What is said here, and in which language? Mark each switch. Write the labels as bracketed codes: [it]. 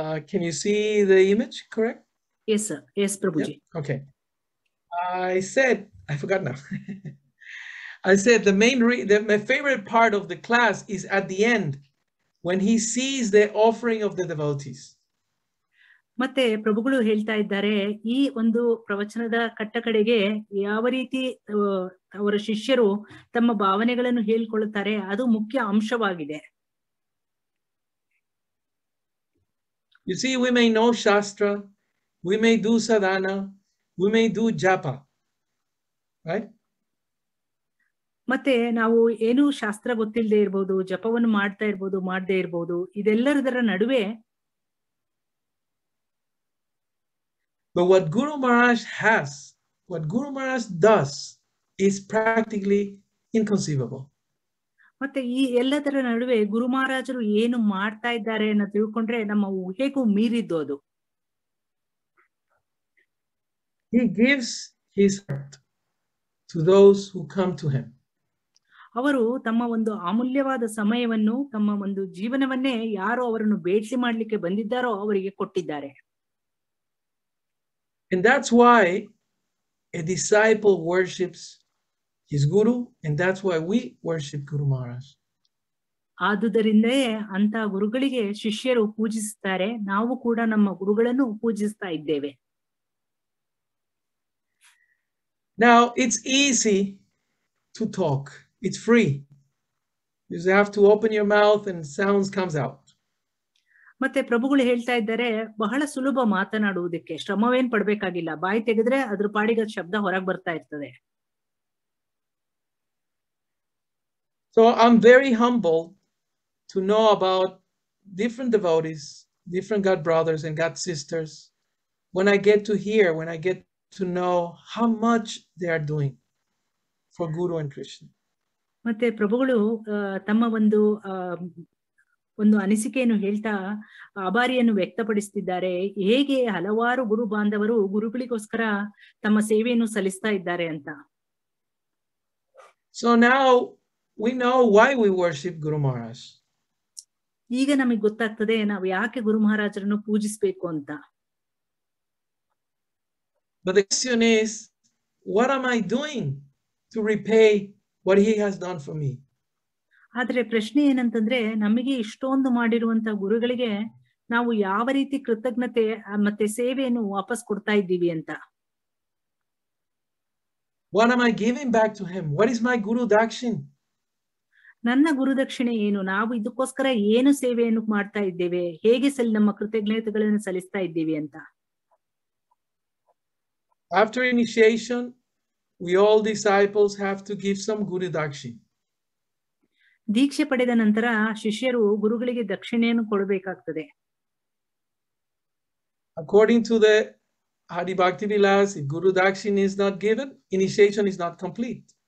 [en] Can you see the image, correct? Yes, sir. Yes, Prabhuji. Yep. Okay. I forgot now. I said the main my favorite part of the class is at the end when he sees the offering of the devotees. [kn] ಮತ್ತೆ ಪ್ರಭುಗಳು ಹೇಳ್ತಾ ಇದ್ದಾರೆ ಈ ಒಂದು ಪ್ರವಚನದ ಕಟ್ಟ ಕಡೆಗೆ ಯಾವ ರೀತಿ ಅವರ ಶಿಷ್ಯರು ತಮ್ಮ ಭಾವನೆಗಳನ್ನು ಹೇಳ್ಕೊಳ್ಳುತ್ತಾರೆ ಅದು ಮುಖ್ಯ ಅಂಶವಾಗಿದೆ [en] You see, we may know Shastra, we may do sadhana, we may do japa, right? [kn] ಮತ್ತೆ ನಾವು ಏನು ಶಾಸ್ತ್ರ ಗೊತ್ತಿಲ್ಲದೆ ಇರ್ಬೋದು ಜಪವನ್ನು ಮಾಡ್ತಾ ಇರ್ಬೋದು ಮಾಡದೇ ಇರ್ಬೋದು ಇದೆಲ್ಲರದರ ನಡುವೆ [en] But what Guru Maharaj has, what Guru Maharaj does, is practically inconceivable. [kn] ಮತ್ತೆ ಈ ಎಲ್ಲದರ ನಡುವೆ ಗುರು ಮಹಾರಾಜರು ಏನು ಮಾಡ್ತಾ ಇದ್ದಾರೆ ಅನ್ನ ತಿಳ್ಕೊಂಡ್ರೆ ನಮ್ಮ ಊಹೆಗೂ ಮೀರಿದ್ದು ಅದು [en] He gives his heart to those who come to him. [kn] ಅವರು ತಮ್ಮ ಒಂದು ಅಮೂಲ್ಯವಾದ ಸಮಯವನ್ನು ತಮ್ಮ ಒಂದು ಜೀವನವನ್ನೇ ಯಾರು ಅವರನ್ನು ಭೇಟಿ ಮಾಡಲಿಕ್ಕೆ ಬಂದಿದ್ದಾರೋ ಅವರಿಗೆ ಕೊಟ್ಟಿದ್ದಾರೆ [en] And that's why a disciple worships his guru, and that's why we worship Guru Maharaj. [kn] ಆದುದರಿಂದಲೇ ಅಂತ ಗುರುಗಳಿಗೆ ಶಿಷ್ಯರು ಪೂಜಿಸುತ್ತಾರೆ ನಾವು ಕೂಡ ನಮ್ಮ ಗುರುಗಳನ್ನು ಪೂಜಿಸ್ತಾ ಇದ್ದೇವೆ [en] Now it's easy to talk. It's free. You just have to open your mouth and sounds comes out. [kn] ಮತ್ತೆ ಪ್ರಭುಗಳು ಹೇಳ್ತಾ ಇದ್ದಾರೆ ಬಹಳ ಸುಲಭ ಮಾತನಾಡುವುದಕ್ಕೆ ಶ್ರಮವೇನ್ ಪಡಬೇಕಾಗಿಲ್ಲ ಬಾಯಿ ತೆಗೆದ್ರೆ ಅದ್ರ ಪಾಡಿಗೆ ಶಬ್ದ ಹೊರಗೆ ಬರ್ತಾ ಇರ್ತದೆ [en] So I'm very humble to know about different devotees, different God brothers and God sisters, when I get to hear, when I get to know how much they are doing for Guru and Krishna. [kn] ಮತ್ತೆ ಪ್ರಭುಗಳು ತಮ್ಮ ಒಂದು ಒಂದು ಅನಿಸಿಕೆಯನ್ನು ಹೇಳ್ತಾ ಆಭಾರಿಯನ್ನು ವ್ಯಕ್ತಪಡಿಸುತ್ತಿದ್ದಾರೆ ಹೇಗೆ ಹಲವಾರು ಗುರು ಬಾಂಧವರು ಗುರುಗಳಿಗೋಸ್ಕರ ತಮ್ಮ ಸೇವೆಯನ್ನು ಸಲ್ಲಿಸ್ತಾ ಇದ್ದಾರೆ ಅಂತ [en] So now we know why we worship Guru Maharaj. [kn] ಈಗ ನಮಗೆ ಗೊತ್ತಾಗ್ತದೆ ನಾವು ಯಾಕೆ ಗುರು ಮಹಾರಾಜರನ್ನು ಪೂಜಿಸಬೇಕು ಅಂತ [en] But the question is, what am I doing to repay what he has done for me? [kn] ಆದ್ರೆ ಪ್ರಶ್ನೆ ಏನಂತಂದ್ರೆ ನಮಗೆ ಇಷ್ಟೊಂದು ಮಾಡಿರುವಂತ ಗುರುಗಳಿಗೆ ನಾವು ಯಾವ ರೀತಿ ಕೃತಜ್ಞತೆ ಮತ್ತೆ ಸೇವೆಯನ್ನು ವಾಪಸ್ ಕೊಡ್ತಾ ಇದ್ದೀವಿ ಅಂತ [en] What am I giving back to him? What is my guru dakshin? [kn] ನನ್ನ ಗುರುದಕ್ಷಿಣೆ ಏನು ನಾವು ಇದಕ್ಕೋಸ್ಕರ ಏನು ಸೇವೆಯನ್ನು ಮಾಡ್ತಾ ಇದ್ದೇವೆ ಹೇಗೆ ನಮ್ಮ ಕೃತಜ್ಞತೆಗಳನ್ನು ಸಲ್ಲಿಸ್ತಾ ಇದ್ದೀವಿ ಅಂತ [en] After initiation, we all disciples have to give some guru dakshin. [kn] ದೀಕ್ಷೆ ಪಡೆದ ನಂತರ ಶಿಷ್ಯರು ಗುರುಗಳಿಗೆ ದಕ್ಷಿಣೆಯನ್ನು ಕೊಡಬೇಕಾಗ್ತದೆ [en] According to the Hari Bhakti Vilas, if Guru Dakshin is not given, initiation is not complete.